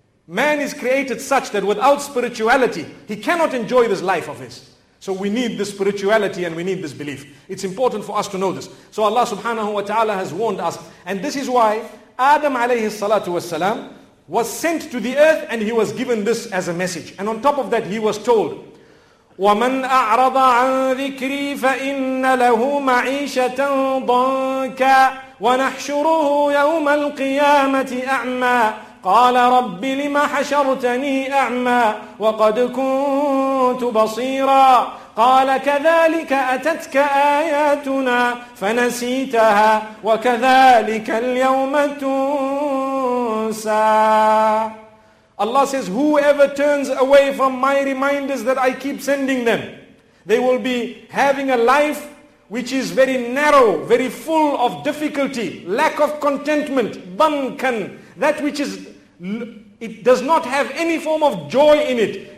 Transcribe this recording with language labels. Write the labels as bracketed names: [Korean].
[English] Man is created such that without spirituality, he cannot enjoy this life of his. So we need this spirituality and we need this belief. It's important for us to know this. So Allah subhanahu wa ta'ala has warned us. And this is why Adam alayhi salatu wasalam was sent to the earth and he was given this as a message. And on top of that, he was told, [Arabic] وَمَنْ أَعْرَضَ عَنْ ذِكْرِي فَإِنَّ لَهُ مَعِيشَةً ضَنْكًا وَنَحْشُرُهُ يَوْمَ الْقِيَامَةِ أَعْمَى قَالَ رَبِّ لِمَ حَشَرْتَنِي أَعْمَى وَقَدْ كُنْتُ بَصِيرًا قَالَ كَذَلِكَ أَتَتْكَ آيَاتُنَا فَنَسِيتَهَا وَكَذَلِكَ الْيَوْمَ تُنْسَى. [English] Allah says, whoever turns away from my reminders that I keep sending them, they will be having a life which is very narrow, very full of difficulty, lack of contentment, bankan, that which is, it does not have any form of joy in it.